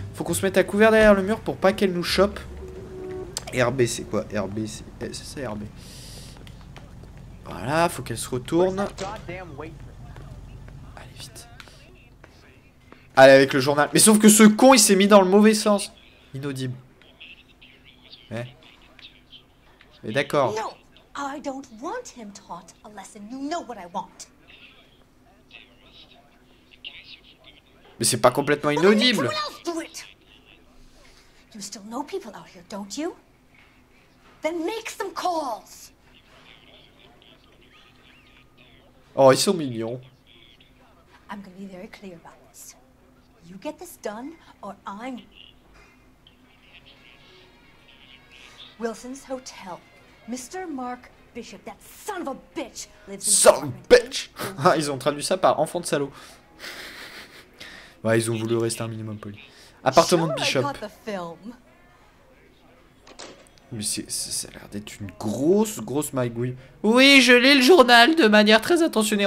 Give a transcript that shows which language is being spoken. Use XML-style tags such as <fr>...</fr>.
<fr>Faut qu'on se mette à couvert derrière le mur pour pas qu'elle nous chope. RB, c'est quoi? RB, c'est ça, RB. Voilà, faut qu'elle se retourne. Allez, vite. Allez, avec le journal. Mais sauf que ce con, il s'est mis dans le mauvais sens. Inaudible. Mais d'accord.</fr> <en>No, I don't want him taught a lesson. You know what I want.</en> <fr>Mais c'est pas complètement inaudible.</fr> <en>You still know people out here, don't you? Then make some calls.</en> <fr>Oh, ils sont mignons.</fr> <en>I'm gonna be very clear about this. You get this done, or I'm... Wilson's Hotel. Mr. Mark Bishop, that son of a bitch, lives in... Son of a bitch!</en> <fr>Ah, ils ont traduit ça par enfant de salaud. Bah, ils ont voulu rester un minimum poli. Appartement de Bishop. Mais ça a l'air d'être une grosse magouille. Oui, je lis le journal de manière très attentionnée.</fr>